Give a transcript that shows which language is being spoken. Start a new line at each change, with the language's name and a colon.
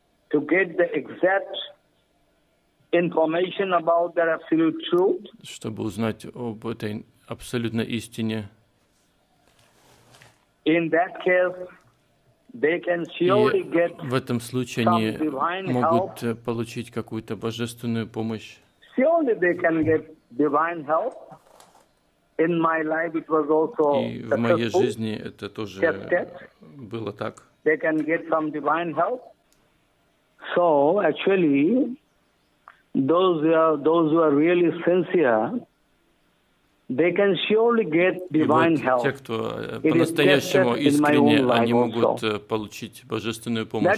English: to get the exact information about their absolute truth,
Russian: чтобы узнать об этой абсолютной истине,
English: in that case, they can surely get
Russian: в этом случае они могут получить какую-то божественную помощь.
English: Surely they can get divine help. In my life, it was also
Russian: и в моей жизни это тоже было так.
English: They can get some divine help. So actually, those who are really sincere, they can surely get divine help.
Russian: Те, кто по-настоящему искренне, они могут получить божественную помощь.